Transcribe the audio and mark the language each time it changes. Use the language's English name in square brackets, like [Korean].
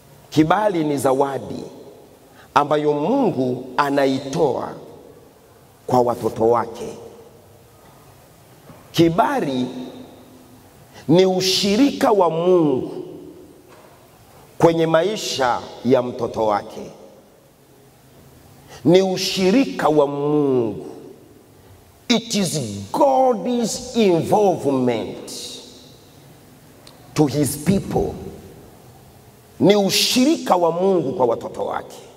[Swahili] Kibali ni zawadi ambayo Mungu anaitoa kwa watoto wake. Kibali ni ushirika wa Mungu kwenye maisha ya mtoto wake. Ni ushirika wa Mungu. [English] It is God's involvement to his people. [Swahili] Ni ushirika wa Mungu kwa watoto wake.